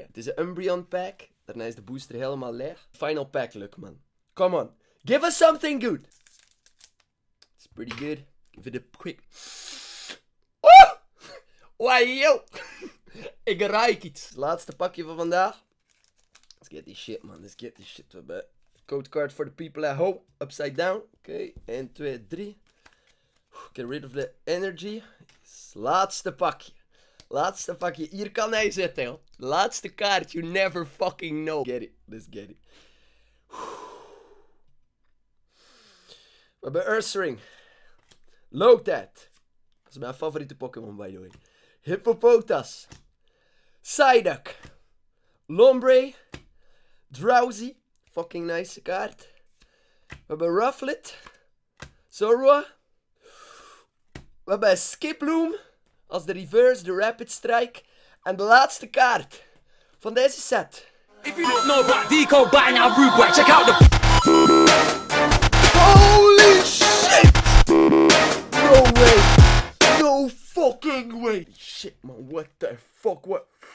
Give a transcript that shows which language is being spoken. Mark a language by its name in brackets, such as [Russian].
[Dutch] Het is een Umbreon pack. Daarna is de booster helemaal leeg. [English] Final pack, look man. Come on. Give us something good. It's pretty good. Give it a quick... Oh! Wajo! [Dutch] Ik ruik iets. Laatste pakje van vandaag. [English] Get this shit, man. Let's get this shit. [Dutch] We hebben code card [English] for the people at home. Upside down. Oké. 1, 2, 3. Get rid of the energy. [Dutch] Laatste pakje. Laatste pakje. Hier kan hij zitten, joh. Laatste kaart. [English] You never fucking know. Get it. Let's get it. [Dutch] We hebben Ursaring. [English] Look that. [Dutch] Dat is mijn favoriete Pokémon, [English] by the way. [Dutch] Hippopotas. Psyduck. Lombre. [English] Drowsy, fucking nice card. [Dutch] We hebben Rufflet. Zorua. We hebben Skiploom. Als de reverse, de rapid strike. En de laatste kaart van deze set. [English] If you don't know about Deco, buy now Rubwack, check out the... Holy shit! No way. No fucking way. Shit man, what the fuck, what...